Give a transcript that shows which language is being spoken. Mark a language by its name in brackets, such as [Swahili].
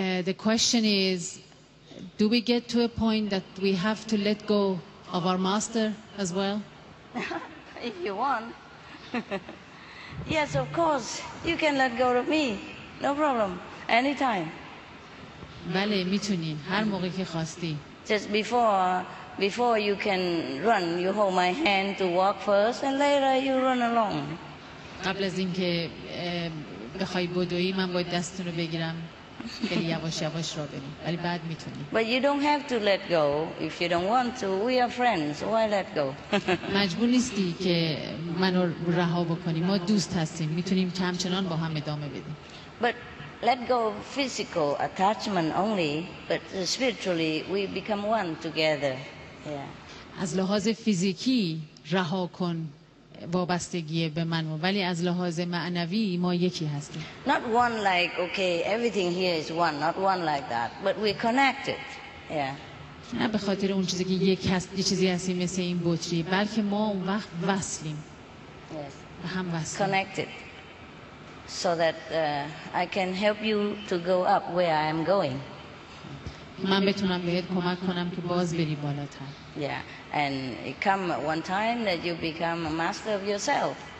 [English] The question is, do we get to a point that we have to let go of our master as well? If you want. Yes, of course, you can let go of me. No problem. Anytime. [Persian] بله میتونین هر موقعی که خواستی. [English] Just before you can run, you hold my hand to walk first and later you run along. [Persian] قبل از اینکه بخوای بدوی من باید دستتون رو بگیرم. خیلی یواش یواش راه بریم ولی بعد میتونیم. [English] But you don't have to let go if you don't want to. We are friends. Why let go? [Persian] مجبور نیستی که منو رها بکنی. ما دوست هستیم. میتونیم همچنان با هم ادامه بدیم. [English] But let go physical attachment only, but spiritually we become one together. [Persian] از لحاظ فیزیکی رها کن وابستگی به من ولی از لحاظ معنوی ما یکی هستیم. [English] Not one like okay everything here is one, not one like that, but we're connected. Yeah. [Persian] نه به خاطر اون چیزی که یک هست یه چیزی هستی مثل این بطری بلکه ما اون وقت وصلیم. [English] Yes. [Persian] به هم وصلیم. [English] Connected. So that I can help you to go up where I am going. [Persian] من بتونم بهت کمک کنم که باز بری بالاتر. [English] Yeah, and it come one time that you become a master of yourself.